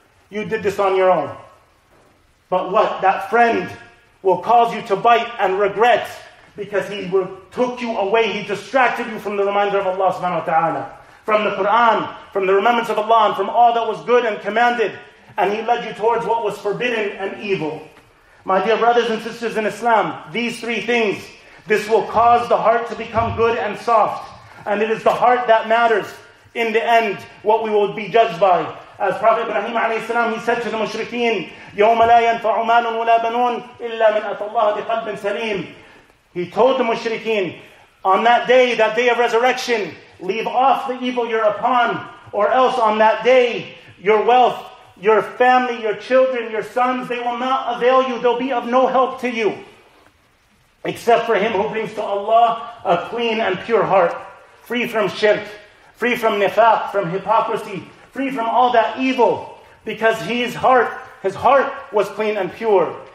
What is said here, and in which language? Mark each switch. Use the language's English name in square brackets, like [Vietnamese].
[English] You did this on your own. But what? That friend will cause you to bite and regret because he took you away, he distracted you from the reminder of Allah subhanahu wa ta'ala, from the Quran, from the remembrance of Allah, and from all that was good and commanded, and he led you towards what was forbidden and evil. My dear brothers and sisters in Islam, these three things, this will cause the heart to become good and soft, and it is the heart that matters in the end, what we will be judged by. As Prophet Ibrahim alayhi salam, he said to the mushrikeen, [Arabic] يَوْمَ لَا يَنْفَعُ مَالٌ وَلَا بَنُونَ إِلَّا مِنْ أَتَى اللَّهَ بِقَلْبٍ سَلِيمٍ. [English] He told the mushrikeen, on that day of resurrection, leave off the evil you're upon, or else on that day, your wealth, your family, your children, your sons, they will not avail you, they'll be of no help to you, except for him who brings to Allah a clean and pure heart, free from shirk, free from nifaq, from hypocrisy, free from all that evil, because his heart was clean and pure.